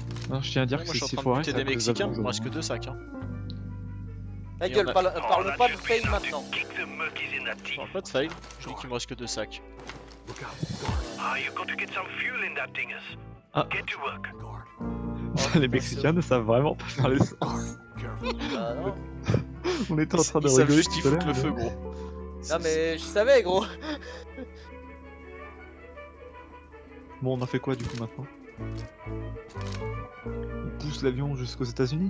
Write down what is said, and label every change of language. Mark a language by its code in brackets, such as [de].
[fr] Non, je tiens à dire que c'est foiré. Des Mexicains, il me reste que 2 sacs. Hein. La gueule, parle pas de fail maintenant. Je parle pas de fail, je dis qu'il me reste que 2 sacs. [en] Look out, guard. Ah, you got to get some fuel in that dingus. Ah. Get to work. [fr] Oh, les Mexicains ne savent vraiment pas faire les sorts. On était en train de rigoler tout à l'heure. Le feu, gros. Non mais je savais, gros. Bon, on a fait quoi du coup maintenant? On pousse l'avion jusqu'aux États-Unis.